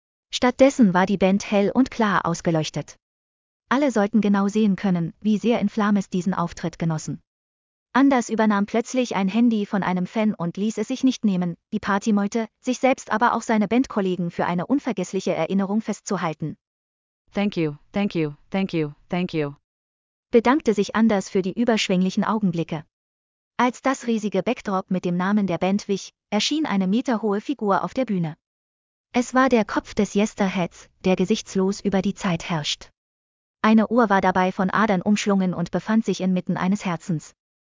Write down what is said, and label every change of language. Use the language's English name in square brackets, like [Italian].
[German] Stattdessen war die Band hell und klar ausgeleuchtet. Alle sollten genau sehen können, wie sehr in Flames diesen Auftritt genossen. Anders übernahm plötzlich ein Handy von einem Fan und ließ es sich nicht nehmen, die Partymeute, sich selbst aber auch seine Bandkollegen für eine unvergessliche Erinnerung festzuhalten. [English] Thank you, thank you, thank you, thank you. [German] Bedankte sich Anders für die überschwänglichen Augenblicke. Als das riesige Backdrop mit dem Namen der Band wich, erschien eine meterhohe Figur auf der Bühne. Es war der Kopf des Yesterheads, der gesichtslos über die Zeit herrscht. Eine Uhr war dabei von Adern umschlungen und befand sich inmitten eines Herzens.